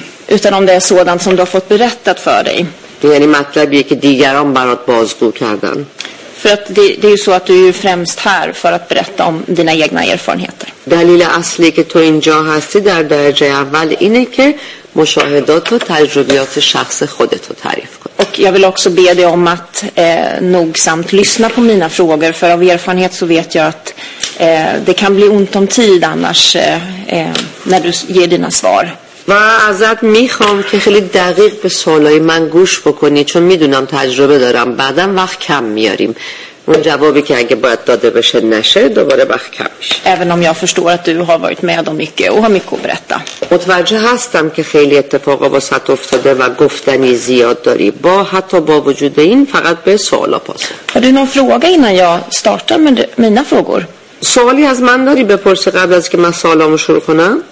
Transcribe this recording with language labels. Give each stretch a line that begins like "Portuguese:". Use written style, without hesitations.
Swedish: utan om det är sådant som du har fått berättat för dig
Persian: یعنی مطلبیه که دیگران برات بازگو کردن
Swedish: För att det är ju så att du är ju främst här för att berätta om dina egna erfarenheter.
Persian: دلیل اصلی که تو اینجا هستی در درجه اول اینه که مشاهدات و تجربیات شخص خودت رو تعریف کنی.
Swedish: Och jag vill också be dig om att nogsamt lyssna på mina frågor för av erfarenhet så vet jag att det kan bli ont om tid annars när du ger dina svar.
Persian: و ازت میخوام که خیلی دقیق به سوالای من گوش بکنی چون میدونم تجربه دارم بعدم وقت کم میاریم اون جوابی که اگه باید داده بشه نشه دوباره وقت کم میشه
Swedish: även om jag förstår att du har varit med om mycket och har mycket att berätta
Persian: متوجه هستم که خیلی اتفاقا واسط افتاده و گفتنی زیاد داری با حتی با وجود این فقط به سوالا پاسخ
Swedish: har du någon fråga innan jag startar med mina frågor
Persian: سوالی از من داری بپرسی قبل از که من سوالامو شروع کنم